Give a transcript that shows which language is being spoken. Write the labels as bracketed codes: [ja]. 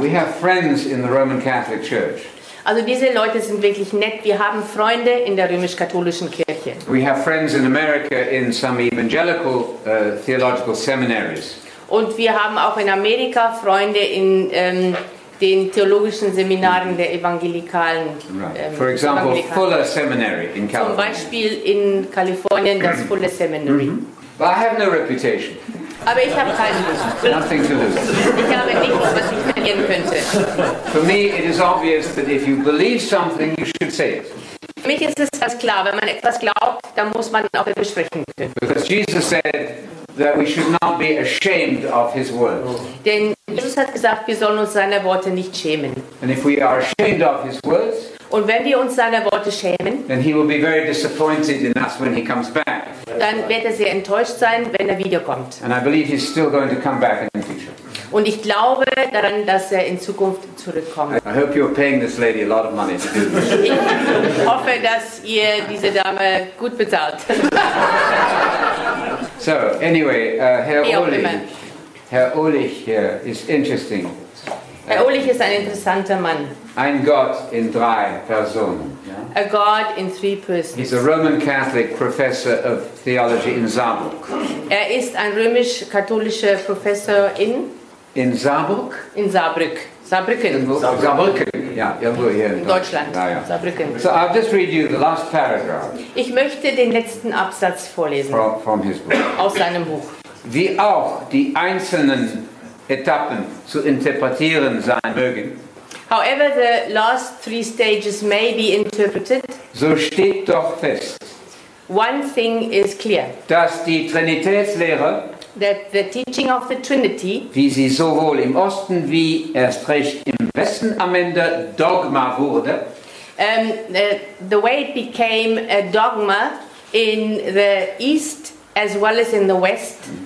[en] We have friends in the Roman Catholic Church. [de] Also diese Leute sind wirklich nett. Wir haben Freunde in der römisch-katholischen Kirche. [en] We have friends in America in some evangelical theological seminaries. [de] Und wir haben auch in Amerika Freunde in den theologischen Seminaren der Evangelikalen. [en] For example, Fuller Seminary in California. [de] Zum Beispiel in Kalifornien das Fuller Seminary. [en] But I have no reputation. [de] Aber ich habe keinen Ruf. [en] Nothing to lose. [de] Ich habe nichts, was ich verlieren könnte. [en] For me, it is obvious that if you believe something, you should say it. [de] Für mich ist es ganz klar, wenn man etwas glaubt, dann muss man auch darüber sprechen. [en] Because Jesus said that we should not be ashamed of his words. [de] Denn Jesus hat gesagt, wir sollen uns seiner Worte nicht schämen. [en] And if we are ashamed of his words, [de] und wenn wir uns seiner Worte schämen, [en] then he will be very disappointed in us when he comes back. [de] Dann wird er sehr enttäuscht sein, wenn er wiederkommt. [en] And I believe he's still going to come back in the future. [de] Und ich glaube daran, dass er in Zukunft zurückkommt. [en] I hope you're paying this lady a lot of money to do this. [de] Ich hoffe, dass ihr diese Dame gut bezahlt. [en] So, anyway, Herr Ohlich here is interesting. [de] Herr Ohlich ist ein interessanter Mann. Ein Gott in drei Personen. [en] A God in three persons. He's a Roman Catholic professor of theology in Saarbrück. [de] Er ist ein römisch-katholischer Professor in? In Saarbrück? In Saarbrück. Saarbrücken. [en] Saarbrücken. Yeah, here [de] in Deutschland. Saarbrücken. [en] So I'll just read you the last paragraph. [de] Ich möchte den letzten Absatz vorlesen. [en] From his book. [de] Aus seinem Buch. Wie auch die einzelnen Etappen zu interpretieren sein mögen. [en] However the last three stages may be interpreted. [de] So steht doch fest. [en] One thing is clear. [de] Dass die Trinitätslehre. [en] That the teaching of the Trinity, [de] wie sie sowohl im Osten wie erst recht im Westen am Ende Dogma wurde, [en] the way it became a dogma in the East as well as in the West,